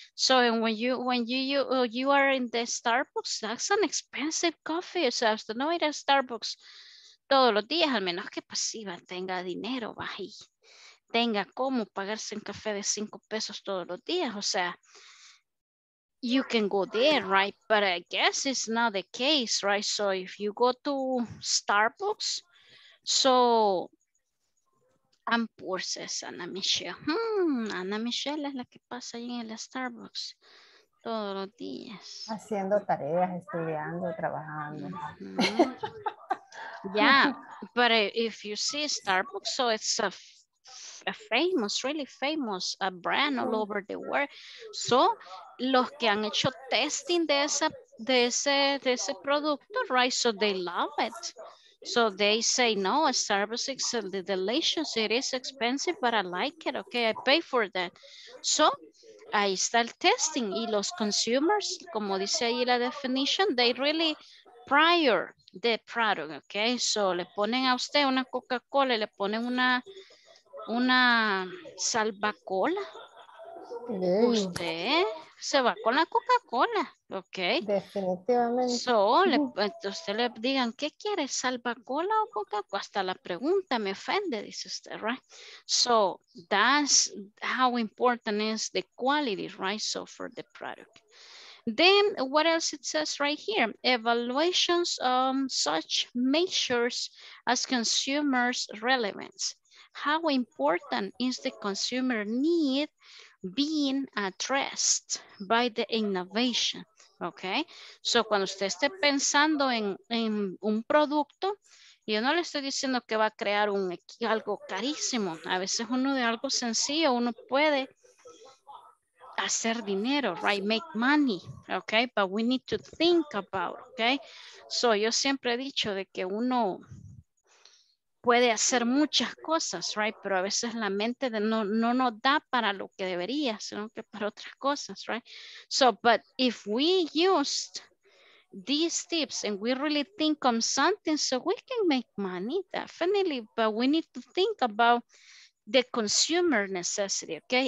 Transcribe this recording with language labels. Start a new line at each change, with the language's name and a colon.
English: So and when you are in the Starbucks, that's an expensive coffee.
Spanish: O sea, usted no va a ir a Starbucks todos los días, al menos que pasiva tenga dinero, va ahí. Tenga cómo pagarse un café de $5 todos los días. O sea,
English: you can go there, right? But I guess it's not the case, right? So if you go to Starbucks, so I'm poor, says Ana Michelle.
Spanish: Ana Michelle es la que pasa ahí en el Starbucks todos los días. Haciendo tareas, estudiando, trabajando.
English: Yeah, but if you see Starbucks, so it's a famous, really famous brand all over the world.
Spanish: So los que han hecho testing de ese producto, right?
English: So they love it. So they say, no, Starbucks is delicious. It is expensive, but I like it. Okay, I pay for that. So
Spanish: ahí está el testing.
English: Y los consumers,
Spanish: como dice ahí la
English: definition, they really prior the product.
Spanish: Okay, so le ponen a usted una Coca-Cola, le ponen una salvacola. Usted se va con la Coca-Cola, ¿ok? Definitivamente. So, usted le digan, ¿qué quiere, salvacola o Coca-Cola? Hasta la pregunta me ofende, dice usted, right?
English: So, that's how important is the quality, right? So, for the product. Then, what else it says right here? Evaluations on such measures as consumers' relevance. How important is the consumer need being addressed by the innovation, okay?
Spanish: So cuando usted esté pensando en un producto, yo no le estoy diciendo que va a crear algo carísimo. A veces uno de algo sencillo, uno puede hacer dinero, right?
English: Make money, okay? But we need to think about, okay?
Spanish: So yo siempre he dicho de que uno puede hacer muchas cosas, right? Pero a veces la mente no nos da para lo que debería, sino que para otras cosas, right?
English: So, but if we used these tips and we really think on something, so we can make money, definitely, but we need to think about the consumer necessity, okay?